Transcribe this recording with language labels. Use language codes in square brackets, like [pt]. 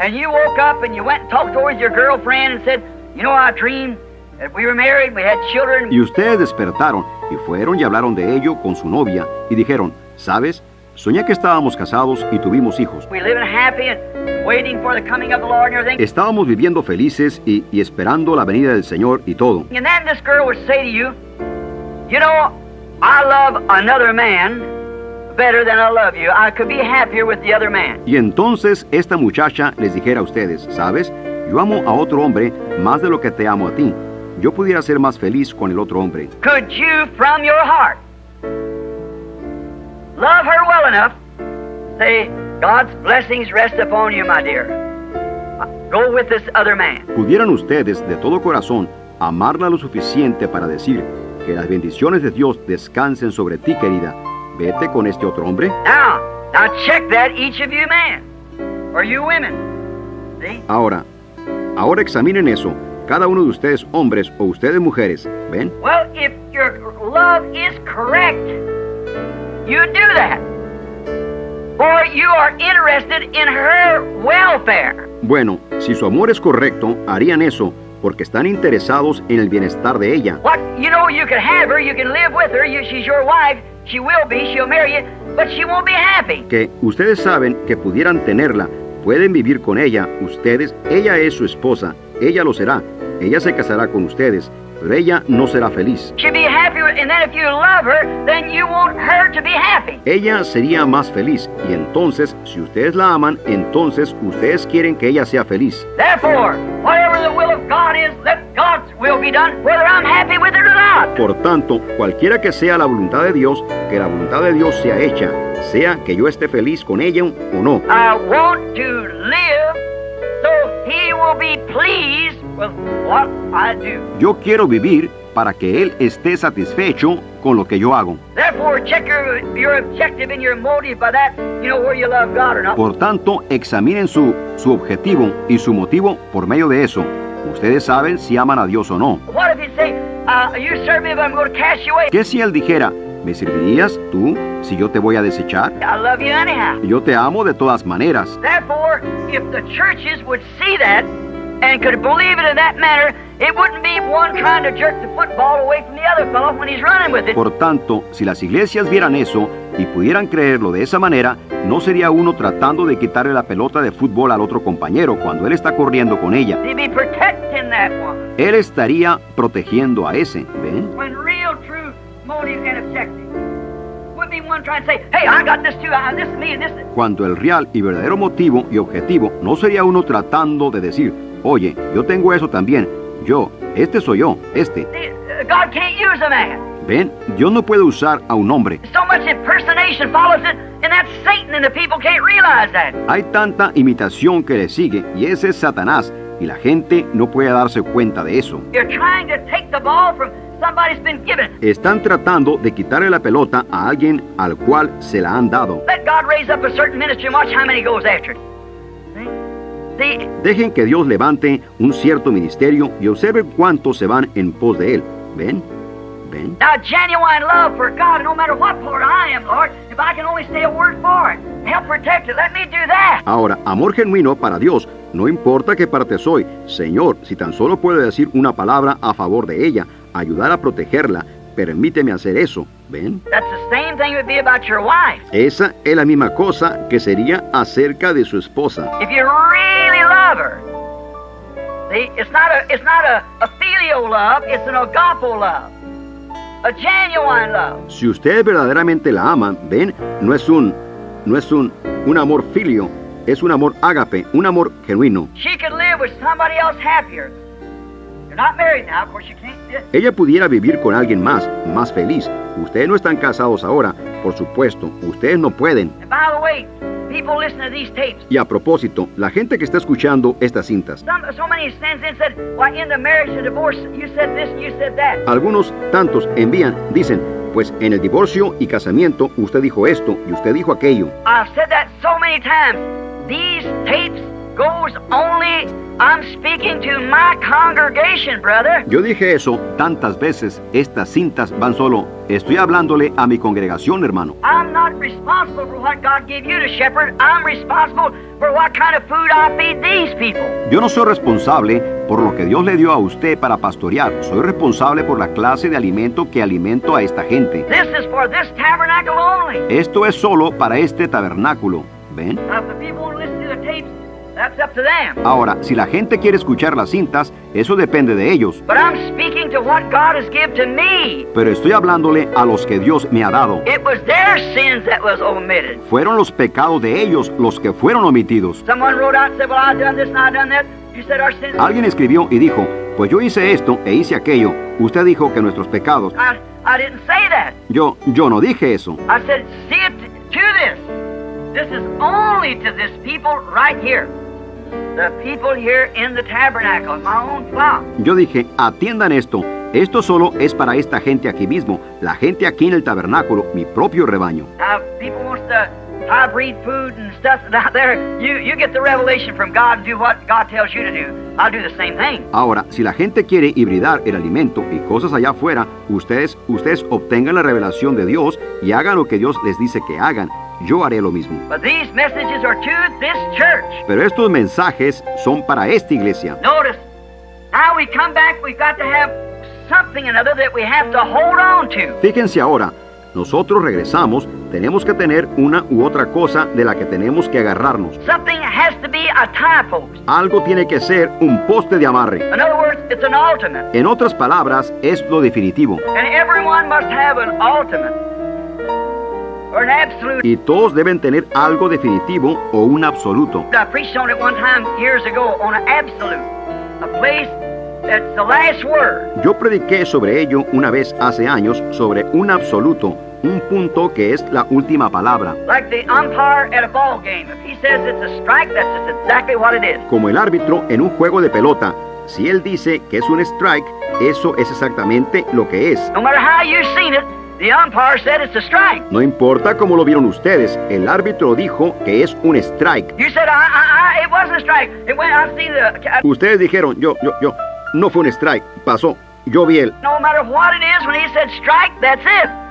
[en] And you woke up and you went and talked towards your girlfriend and said, you know, I dreamed that we were married, we had children. [es] Y ustedes despertaron y fueron y hablaron de ello con su novia y dijeron, ¿sabes? Soñé que estábamos casados y tuvimos hijos. [en] We live happy and waiting for the coming of the Lord and everything. [es] Estábamos viviendo felices y esperando la venida del Señor y todo. [en] And then this girl would say to you, you know, I love another man better than I love you. I could be happier with the other man. [es] Y entonces esta muchacha les dijera a ustedes, ¿sabes? Yo amo a otro hombre más de lo que te amo a ti. Yo pudiera ser más feliz con el otro hombre. [en] Could you from your heart love her well enough? Say, God's blessings rest upon you, my dear. Go with this other man. [es] ¿Pudieran ustedes de todo corazón amarla lo suficiente para decir que las bendiciones de Dios descansen sobre ti, querida? Vete con este otro hombre. [en] Now check that, each of you men, or you women. See? [es] Ahora examinen eso, cada uno de ustedes hombres o ustedes mujeres. ¿Ven? [en] Well, if your love is correct, you do that. For you are interested in her welfare. [es] Bueno, si su amor es correcto, harían eso, porque están interesados en el bienestar de ella. [en] What? You know, you can have her, you can live with her, she's your wife. She will be, she'll marry you, but she won't be happy. [es] Que ustedes saben que pudieran tenerla, pueden vivir con ella, ustedes, ella es su esposa, ella lo será, ella se casará con ustedes, pero ella no será feliz. [en] She'll be happy, and then if you love her, then you want her to be happy. [es] Ella sería más feliz, y entonces, si ustedes la aman, entonces ustedes quieren que ella sea feliz. [en] Therefore, whatever the will of God is, let God's will be done, whether I'm happy with it or not. [es] Por tanto, cualquiera que sea la voluntad de Dios, que la voluntad de Dios sea hecha, sea que yo esté feliz con ella o no. [en] I want to live so he will be pleased with what I do. [es] Yo quiero vivir para que él esté satisfecho con lo que yo hago. [en] Therefore, check your objective and your motive by that, you know, whether you love God or not. [es] Por tanto, examinen su objetivo y su motivo por medio de eso. Ustedes saben si aman a Dios o no. [en] What if he say, you serve me, but I'm going to cast you away? [es] ¿Qué si él dijera, me servirías tú si yo te voy a desechar? [en] I love you anyhow. [es] Yo te amo de todas maneras. [en] Therefore, if the churches would see that and could believe it in that manner, it wouldn't be one trying to jerk the football away from the other fellow when he's running with it. [es] Por tanto, si las iglesias vieran eso y pudieran creerlo de esa manera, no sería uno tratando de quitarle la pelota de fútbol al otro compañero cuando él está corriendo con ella. [en] He'd be protecting that one. [es] Él estaría protegiendo a ese, ¿ven? [en] When real truth, motive and objective would be one trying to say, hey, I got this too, this is me and this is... [es] Cuando el real y verdadero motivo y objetivo no sería uno tratando de decir, oye, yo tengo eso también. Yo, este soy yo, este. [en] God can't use a man. [es] Ven, Dios no puede usar a un hombre. [en] So much impersonation follows it, and that's Satan, and the people can't realize that. [es] Hay tanta imitación que le sigue, y ese es Satanás, y la gente no puede darse cuenta de eso. [en] You're trying to take the ball from somebody's been given. [es] Están tratando de quitarle la pelota a alguien al cual se la han dado. [en] Let God raise up a certain ministry and watch how many goes after it. [es] Dejen que Dios levante un cierto ministerio y observen cuántos se van en pos de él. ¿Ven? ¿Ven? [en] Now, genuine love for God, no matter what part I am, Lord, if I can only say a word for it, help protect it, let me do that. [es] Ahora, amor genuino para Dios, no importa qué parte soy, Señor, si tan solo puedo decir una palabra a favor de ella, ayudar a protegerla, permíteme hacer eso. ¿Ven? [en] That's the same thing would be about your wife. [es] Esa es la misma cosa que sería acerca de su esposa. [en] If you really love her, see, it's not a filial love, it's an agape love, a genuine love. [es] Si ustedes verdaderamente la aman, ven, no es un no es un amor filio, es un amor ágape, un amor genuino. [en] She could live with somebody else happier. You're not married now, of course you can't. [es] Ella pudiera vivir con alguien más, más feliz. Ustedes no están casados ahora, por supuesto, ustedes no pueden. [en] And by the way, people listen to these tapes. [es] Y a propósito, la gente que está escuchando estas cintas. [en] So many sends in said, why in the marriage, the divorce, you said this and you said that. [es] Algunos tantos envían, dicen, pues en el divorcio y casamiento usted dijo esto y usted dijo aquello. [en] I've said that so many times. These tapes goes only. I'm speaking to my congregation, brother. [es] Yo dije eso tantas veces. Estas cintas van solo. Estoy hablándole a mi congregación, hermano. [en] I'm not responsible for what God gave you to shepherd. I'm responsible for what kind of food I feed these people. [es] Yo no soy responsable por lo que Dios le dio a usted para pastorear. Soy responsable por la clase de alimento que alimento a esta gente. [en] This is for this tabernacle only. [es] Esto es solo para este tabernáculo. ¿Ven? [en] Now, if the people listen to the tapes, that's up to them. [es] Ahora, si la gente quiere escuchar las cintas, eso depende de ellos. [en] But I'm speaking to what God has given to me. [es] Pero estoy hablándole a los que Dios me ha dado. [en] It was their sins that was omitted. [es] Fueron los pecados de ellos los que fueron omitidos. [en] Someone wrote out and said, well, I've done this and I've done that. You said our sins. [es] Alguien escribió y dijo, pues yo hice esto e hice aquello. Usted dijo que nuestros pecados. [en] I didn't say that. [es] Yo no dije eso. [en] I said, see it to this. This is only to this people right here. The people here in the tabernacle, my own flock. [es] Yo dije, atiendan esto. Esto solo es para esta gente aquí mismo, la gente aquí en el tabernáculo, mi propio rebaño. [en] Now, people want the hybrid food and stuff out there. You get the revelation from God and do what God tells you to do. I'll do the same thing. [es] Ahora, si la gente quiere hibridar el alimento y cosas allá afuera, ustedes obtengan la revelación de Dios y hagan lo que Dios les dice que hagan. Yo haré lo mismo. [en] But these messages are to this church. [es] Pero estos mensajes son para esta iglesia. [en] Notice, now we come back, we've got to have something another that we have to hold on to. [es] Fíjense ahora, nosotros regresamos, tenemos que tener una u otra cosa de la que tenemos que agarrarnos. [en] Something has to be a tie, folks. [es] Algo tiene que ser un poste de amarre. [en] In other words, it's an ultimate. [es] En otras palabras, es lo definitivo. [en] And everyone must have an ultimate. [es] Y todos deben tener algo definitivo o un absoluto. [en] I preached on it one time years ago on an absolute, a place that's the last word. [es] Yo prediqué sobre ello una vez hace años sobre un absoluto, un punto que es la última palabra. [en] Like the umpire at a ball game, if he says it's a strike, that's just exactly what it is. [es] Como el árbitro en un juego de pelota, si él dice que es un strike, eso es exactamente lo que es. [en] No matter how you've seen it. The umpire said it's a strike. [es] No importa cómo lo vieron ustedes, el árbitro dijo que es un strike. [en] You said, it was a strike. It went, I've seen the... [es] Ustedes dijeron, yo, no fue un strike, pasó, yo vi él. [en] No matter what it is, when he said strike, that's it.